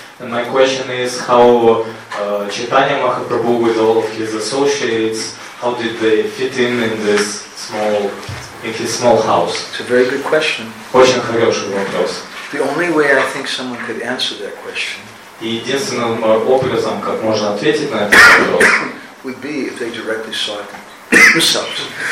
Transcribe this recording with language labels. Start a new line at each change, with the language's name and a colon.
English: And my question is, how Chaitanya Mahaprabhu with all of his associates, how did they fit in this small, in his small house? It's a very good question.
Russian: Очень хороший вопрос.
English: The only way I think someone could answer that question
Russian: единственным образом, как можно ответить на этот вопрос,
English: would be if they directly saw it themselves.